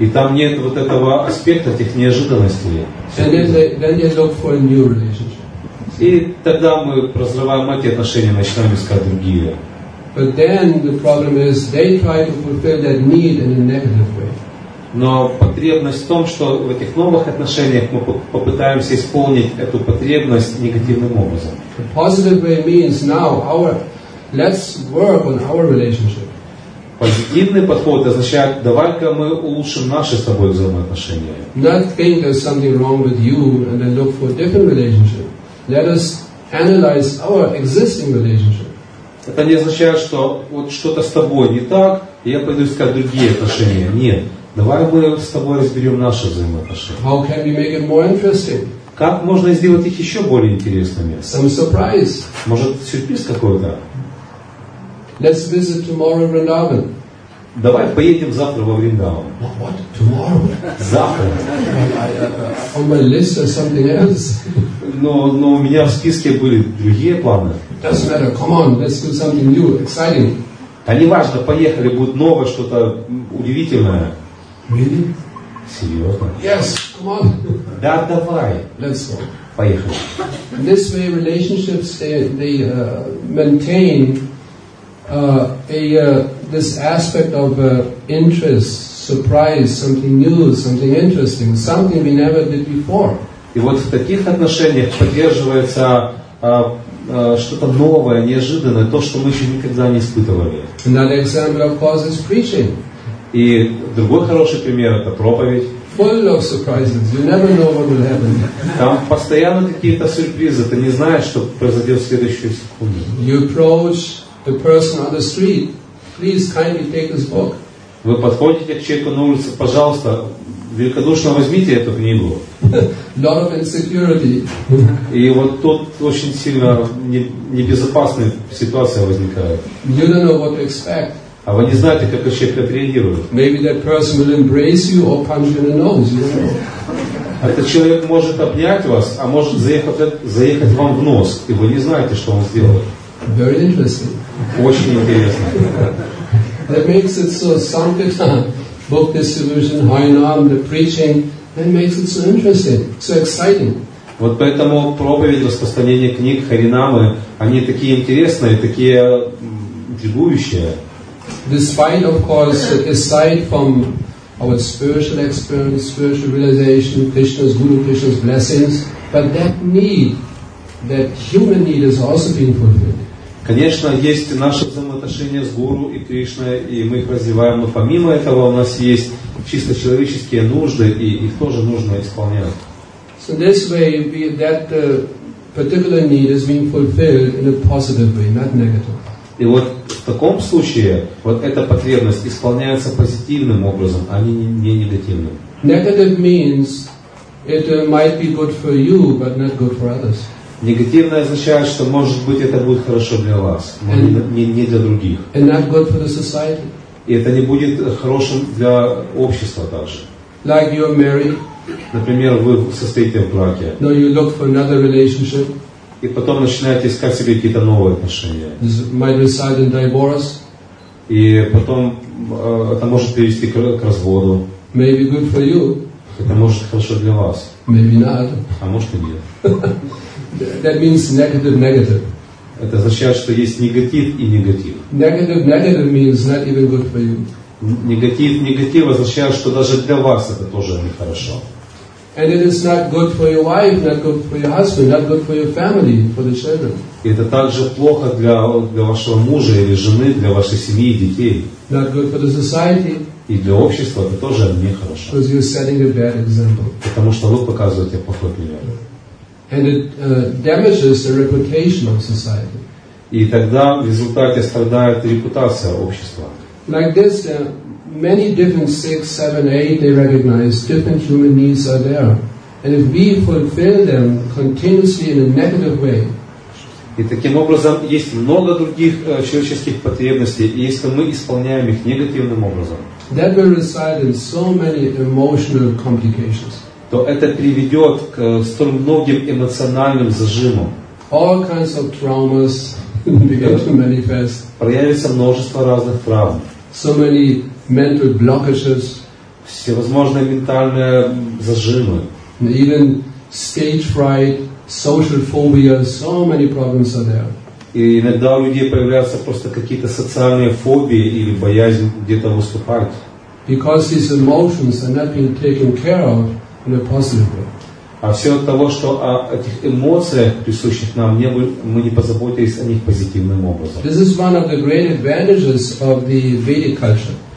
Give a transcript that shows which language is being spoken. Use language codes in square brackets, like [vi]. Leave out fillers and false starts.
[ru] И там нет вот этого аспекта, этих неожиданностей. [en] And then they look for a new relationship. [ru] И тогда мы разрываем эти отношения, начинаем искать другие. [en] But then the problem is they try to fulfill that need in a negative way. [ru] Но потребность в том, что в этих новых отношениях мы попытаемся исполнить эту потребность негативным образом. [en] The positive way means now our let's work on our relationship. [ru] Позитивный подход означает, давай-ка мы улучшим наши с тобой взаимоотношения. [en] Not think there's something wrong with you and then look for a different relationship. Let us analyze our existing relationship. [ru] Это не означает, что вот что-то с тобой не так, и я пойду искать другие отношения. Нет. Давай мы с тобой разберем наши взаимоотношения. [en] How can we make it more interesting? [ru] Как можно сделать их еще более интересными? [en] Some surprise. [ru] Может, сюрприз какой-то? [en] Let's visit tomorrow in Vrindavan. [ru] Давай поедем завтра во Вриндаван. [en] What? Tomorrow? [ru] Завтра. [en] On my list or something else? [ru] Но у меня в списке были другие планы. [en] Doesn't matter. Come on, let's do something new, exciting. [ru] А не важно, поехали, будет новое, что-то удивительное. [en] Really? [ru] Серьезно? [en] Yes, come on. [ru] Да, давай. [en] Let's go. [ru] Поехали. [en] In this way, relationships they maintain this aspect of interest, surprise, something new, something interesting, something we never did before. [ru] И вот в таких отношениях поддерживается что-то новое, неожиданное, то, что мы еще никогда не испытывали. [en] Another example of course is preaching. [ru] И другой хороший пример — это проповедь. [en] Full of surprises. You never know what will happen. [ru] Там постоянно какие-то сюрпризы. Ты не знаешь, что произойдет в следующую секунду. [en] You approach the person on the street. Please kindly take this book. [ru] Вы подходите к человеку на улице, пожалуйста, великодушно возьмите эту книгу. [en] Lot of insecurity. [ru] И вот тут очень сильно небезопасная ситуация возникает. [en] You don't know what to expect. [ru] А вы не знаете, как этот человек отреагирует. [en] Maybe that person will embrace you or punch you in the nose. You know? [ru] Этот человек может обнять вас, а может заехать вам в нос, и вы не знаете, что он сделает. [en] Very interesting. [ru] Очень интересно. [en] That makes it so sankirtan, book distribution, hainam, the preaching, that makes it so interesting, so exciting. [ru] Вот поэтому проповедь, распространение книг, харинамы, они такие интересные, такие интригующие. [en] Despite, of course, aside from our spiritual experience, spiritual realization, Krishna's Guru, Krishna's blessings, but that need, that human need is also being fulfilled. [ru] Конечно, есть наши взаимоотношения с Гуру и Кришной, и мы их развиваем, но помимо этого у нас есть чисто человеческие нужды, и их тоже нужно исполнять. [en] So this way, that particular need is being fulfilled in a positive way, not negative. [ru] И вот в таком случае вот эта потребность исполняется позитивным образом, а не негативным. [en] Negative means it might be good for you, but not good for others. [ru] Негативное означает, что может быть это будет хорошо для вас, но не для других. [en] And not good for the society. [ru] И это не будет хорошим для общества также. [en] Like you're married. [ru] Например, вы состоите в браке. [en] No, you look for another relationship. [ru] И потом начинаете искать себе какие-то новые отношения. [en] This might reside in divorce. [ru] И потом это может привести к разводу. [en] Maybe good for you. [ru] Это может хорошо для вас. [en] Maybe not. [ru] А может и нет. [en] That means negative-negative. [ru] Это означает, что есть негатив и негатив. [en] Negative-negative means not even good for you. [ru] Негатив-негатив означает, что даже для вас это тоже нехорошо. [en] And it is not good for your wife, not good for your husband, not good for your family, for the children. [ru] Это также плохо для вашего мужа или жены, для вашей семьи и детей. [en] Not good for the society. [ru] И для общества это тоже нехорошо. [en] Because you're setting a bad example. [ru] Потому что вы показываете плохой пример. [en] And it damages the reputation of society. [ru] И тогда в результате страдает репутация общества. [en] Like this, many different 6, 7, 8, they recognize different human needs are there. And if we fulfill them continuously in a negative way. [ru] И таким образом есть много других человеческих потребностей, если мы исполняем их негативным образом. [en] That will reside in so many emotional complications. [ru] То это приведет к столь многим эмоциональным зажимам. [en] All kinds of traumas begin to manifest. [ru] Проявится множество разных травм. [en] So many mental blockages. [ru] Всевозможные ментальные зажимы. [en] Even stage fright. social phobia, so many problems are there. [ru] И иногда у людей появляются просто какие-то социальные фобии или боязнь где-то выступать. [en] Because his emotions are not being taken care of in a positive way. [ru] А все от того, что о этих эмоциях, присущих нам, не бы, мы не позаботились о них позитивным образом. [en] This is one of the great advantages of the Vedic culture.